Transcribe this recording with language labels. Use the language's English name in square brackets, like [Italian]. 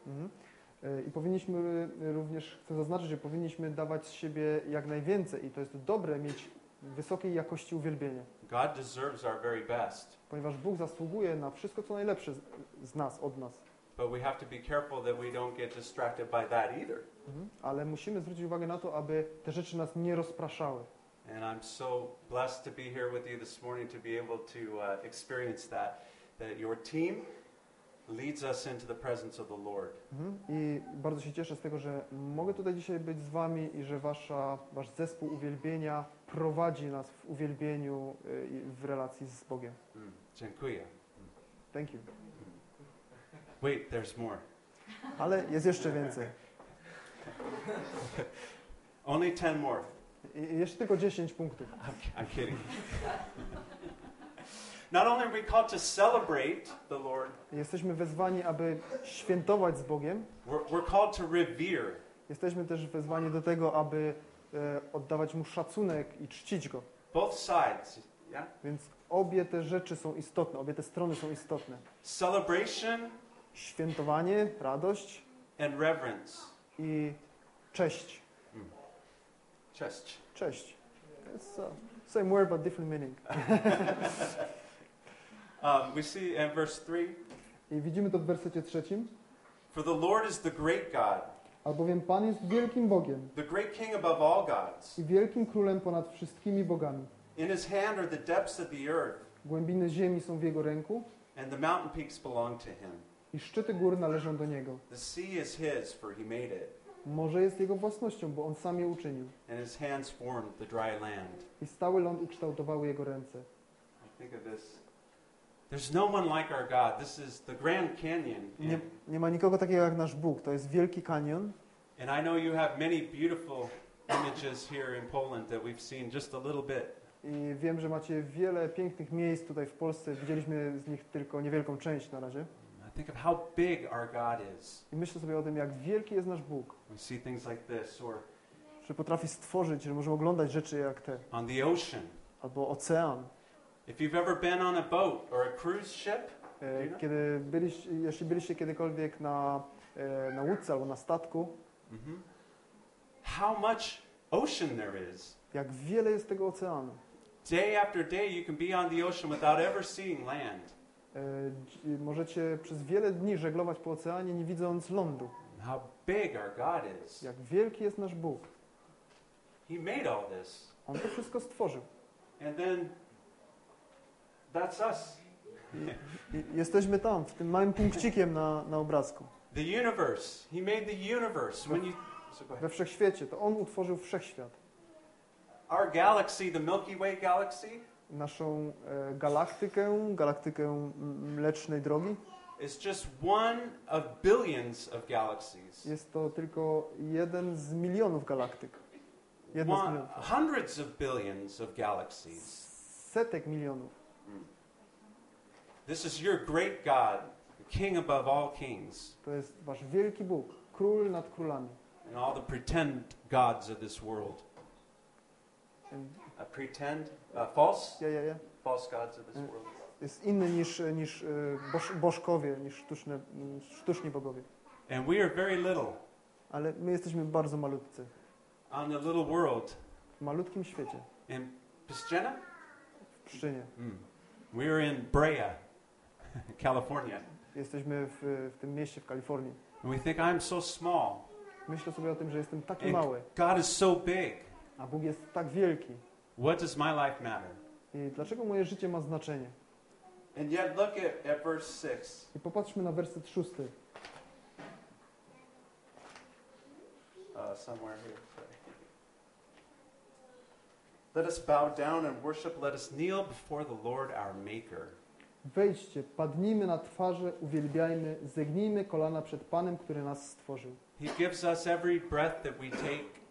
[Polish] Mm-hmm. I powinniśmy również, chcę zaznaczyć, że powinniśmy dawać z siebie jak najwięcej. I to jest dobre mieć wysokiej jakości uwielbienie. [English] God deserves our very best. [Polish] Ponieważ Bóg zasługuje na wszystko, co najlepsze z nas, od nas. [English] But we have to be careful that we don't get distracted by that either. Mm-hmm. [Polish] Ale musimy zwrócić uwagę na to, aby te rzeczy nas nie rozpraszały. [English] And I'm so blessed to be here with you this morning to be able to experience that. That your team leads us into the presence of the Lord. Mm-hmm. [Polish] I bardzo się cieszę z tego, że mogę tutaj dzisiaj być z wami i że wasz zespół uwielbienia prowadzi nas w uwielbieniu i w relacji z Bogiem. Mm, dziękuję. [English] Thank you. Wait, there's more. [Polish] Ale jest jeszcze więcej. [English] Only 10 more. [Polish] Jeszcze tylko 10 punktów. [English] I'm kidding. Not only are we called to celebrate the Lord. [Polish] Jesteśmy wezwani, aby świętować z Bogiem. [English] We're called to revere. [Polish] Jesteśmy też wezwani do tego, aby oddawać Mu szacunek i czcić Go. [English] Both sides, yeah? [Polish] Więc obie te rzeczy są istotne, obie te strony są istotne. [English] Celebration, [Polish] świętowanie, radość [English] and reverence. [Polish] I cześć. Mm. Cześć. Cześć. [English] It's, same word, but different meaning. we see in verse 3. [Polish] I widzimy to w wersecie trzecim. [English] For the Lord is the great God. [Polish] Albowiem Pan jest wielkim Bogiem. [English] The great king above all gods. [Polish] I wielkim królem ponad wszystkimi bogami. [English] In his hand are the depths of the earth. [Polish] Głębiny ziemi są w jego ręku. [English] And the mountain peaks belong to him. [Polish] I szczyty gór należą do niego. [English] The sea is his, for he made it. [Polish] Morze jest jego własnością, bo on sam je uczynił. [English] And his hands formed the dry land. [Polish] I stały ląd ukształtowały jego ręce. [English] I think of this. There's no one like our God. This is the Grand Canyon. [Polish] Nie ma nikogo takiego jak nasz Bóg. To jest wielki kanion. [English] And I know you have many beautiful images here in Poland that we've seen just a little bit. [Polish] I wiem, że macie wiele pięknych miejsc tutaj w Polsce. Widzieliśmy z nich tylko niewielką część na razie. [English] I think of how big our God is. [Polish] I myślę sobie o tym, jak wielki jest nasz Bóg. [English] We see things like this, or [Polish] że potrafi stworzyć, że możemy oglądać rzeczy jak te. [English] On the ocean. [Polish] Albo ocean. [English] If you've ever been on a boat or a cruise ship, [Polish] kiedy byliście, jeśli byliście kiedykolwiek na łódce albo na statku, [English] how much ocean there is. [Polish] Jak wiele jest tego oceanu. [English] Day after day you can be on the ocean without ever seeing land. [Polish] Możecie przez wiele dni żeglować po oceanie, nie widząc lądu. [English] How big our God is. [Polish] Jak wielki jest nasz Bóg. [English] He made all this. [Polish] On to wszystko stworzył. [English] And then that's us. [Polish] Jesteśmy tam, w tym małym punkcikiem na obrazku. [English] The universe. He made the universe. When you... [Polish] We wszechświecie, to On utworzył wszechświat. [English] Our galaxy, the Milky Way galaxy. [Polish] Naszą galaktykę Mlecznej Drogi. [English] It's just one of billions of galaxies. [Polish] Jest to tylko jeden z milionów galaktyk. Jeden z milionów. [English] Hundreds of billions of galaxies. [Polish] Setek milionów. [English] This is your great God, the King above all kings. [Polish] To jest wasz wielki Bóg, król nad królami. [English] And all the pretend gods of this world. A pretend, false? Yeah. False gods of this world. [Polish] Jest inny niż bożkowie, niż sztuczni bogowie. [English] And we are very little. [Polish] Ale my jesteśmy bardzo malutcy. [English] On a little world. [Polish] W malutkim świecie. [English] In Pszczyna? [Polish] W Pszczynie. [English] We are in Brea, California. [Polish] Jesteśmy w tym mieście w Kalifornii. [English] And we think I'm so small. [Polish] Myślę sobie o tym, że jestem taki mały. [English] God is so big. [Polish] A Bóg jest tak wielki. [English] What does my life matter? [Polish] I dlaczego moje życie ma znaczenie? [English] And yet look at verse 6. [Polish] I popatrzmy na werset 6. [English] Somewhere here. Sorry. Let us bow down and worship. Let us kneel before the Lord our Maker. [Polish] Wejdźcie, padnijmy na twarze, uwielbiajmy, zegnijmy kolana przed Panem, który nas stworzył. [English] He gives us every breath that we take.